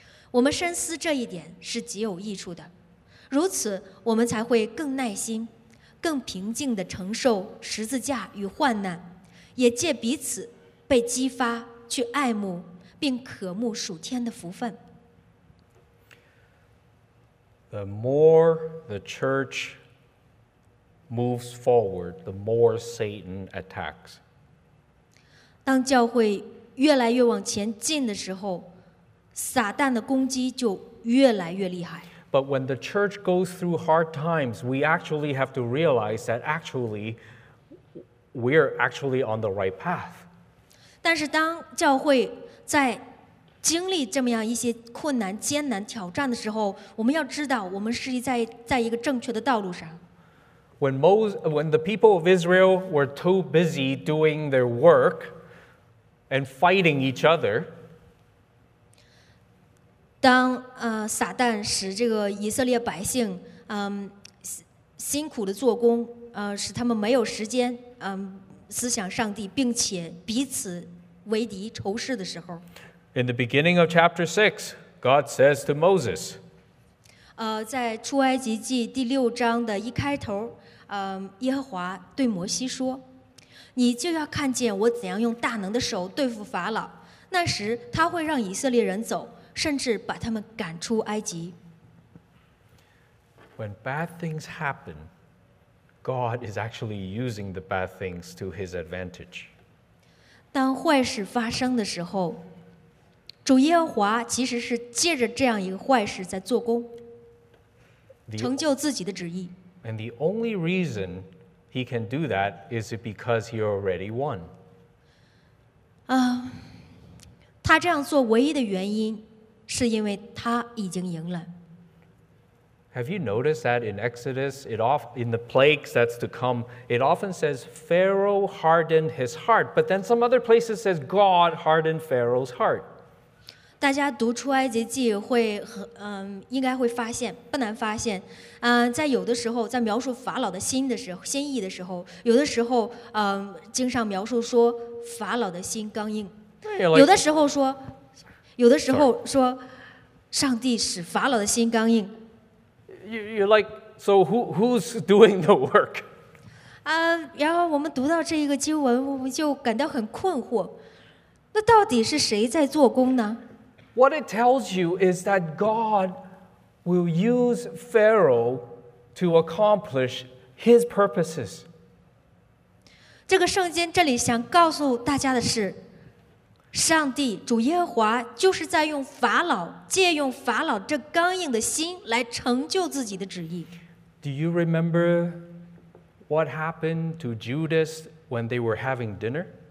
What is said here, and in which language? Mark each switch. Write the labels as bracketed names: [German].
[Chinese] 我们深思这一点是极有益处的。如此，我们才会更耐心、更平静地承受十字架与患难，也借彼此被激发去爱慕并渴慕属天的福分。 [English] The more the church moves forward, the more Satan attacks. [Chinese] 当教会越来越往前进的时候，撒旦的攻击就越来越厉害。 [English] But when the church goes through hard times, we actually have to realize that actually we're actually on the right path. [Chinese] 但是当教会在经历这么样一些困难、艰难、挑战的时候，我们要知道，我们是在一个正确的道路上。 [English] When the people of Israel were too busy doing their work and fighting each other, [Chinese] 当撒旦使这个以色列百姓辛苦的做工，使他们没有时间思想上帝，并且彼此为敌仇视的时候。 [English] In the beginning of chapter 6, God says to Moses, [Chinese] 在出埃及记第六章的一开头，耶和华对摩西说，你就要看见我怎样用大能的手对付法老，那时他会让以色列人走，甚至把他们赶出埃及。 [English] When bad things happen, God is actually using the bad things to his advantage. [Chinese] 当坏事发生的时候，主耶和华其实是借着这样一个坏事在做工，成就自己的旨意。 [English] And the only reason he can do that is because he already won. [Chinese] 他这样做唯一的原因是因为他已经赢了。 [English] Have you noticed that in Exodus, in the plagues that's to come, it often says Pharaoh hardened his heart, but then some other places says God hardened Pharaoh's heart. [Chinese] 大家读出埃及记会应该会发现，不难发现，在有的时候，在描述法老的心的时候，心意的时候，有的时候，经常描述说法老的心刚硬，有的时候说，有的时候说，上帝使法老的心刚硬。 [English] You're like, so who's doing the work? [Chinese] 然后我们读到这一个经文，我们就感到很困惑，那到底是谁在做工呢？ [English] What it tells you is that God will use Pharaoh to accomplish his purposes. [Chinese] 这个圣经这里想告诉大家的是，上帝主耶和华就是在用法老，借用法老这刚硬的心来成就自己的旨意。 [English] Do you remember what happened to Judas when they were having dinner?